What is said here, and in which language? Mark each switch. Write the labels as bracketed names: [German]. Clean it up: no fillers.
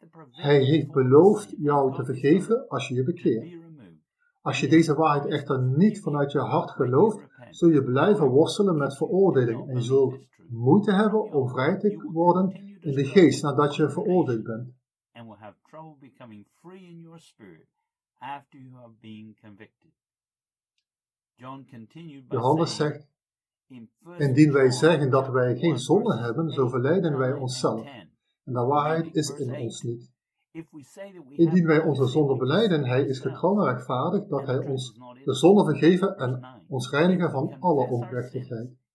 [Dutch] Hij heeft beloofd jou te vergeven als je je bekeert. Als je deze waarheid echter niet vanuit je hart gelooft, zul je blijven worstelen met veroordeling en zult moeite hebben om vrij te worden in de geest nadat je veroordeeld bent. [English] And will have trouble becoming free in your spirit after you have been convicted. John continued by [Dutch] Johannes [English] saying, [Dutch] zegt: indien wij zeggen dat wij geen zonde hebben, zo verleiden wij onszelf. En de waarheid is in ons niet. Indien wij onze zonde beleiden, hij is getrouw en rechtvaardig dat hij ons de zonde vergeven en ons reinigen van alle ongerechtigheid.